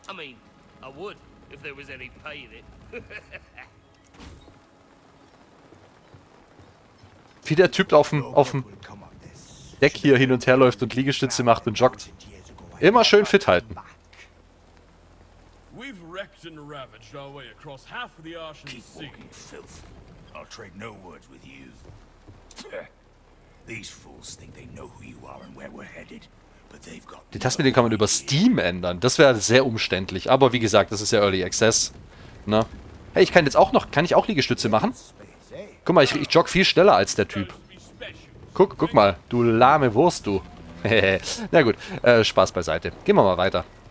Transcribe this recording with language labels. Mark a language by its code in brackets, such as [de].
[en] I mean, I would if there was any pay in it. [de] Wie der Typ auf dem Deck hier hin und her läuft und Liegestütze macht und joggt. Immer schön fit halten. [en] We've wrecked and ravaged our way across half of the Arshan Sea. Keep walking, filth. I'll trade no words with you. These fools think they know who you are and where we're headed, but they've got. [de] Die Taste, den kann man über Steam ändern. Das wäre sehr umständlich. Aber wie gesagt, das ist ja Early Access. Na, hey, ich kann jetzt auch noch, kann ich auch Liegestütze machen? Guck mal, ich jogge viel schneller als der Typ. Guck mal, du lahme Wurst, du. Na gut, Spaß beiseite. Gehen wir mal weiter.